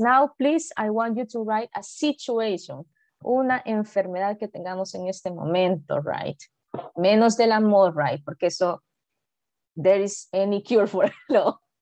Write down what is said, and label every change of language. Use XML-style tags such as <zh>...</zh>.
<en>Now, please, I want you to write a situation.</en> <es>Una enfermedad que tengamos en este momento, right? Menos del amor, right? Porque eso,</es> <en>there is any cure for it, no.</en>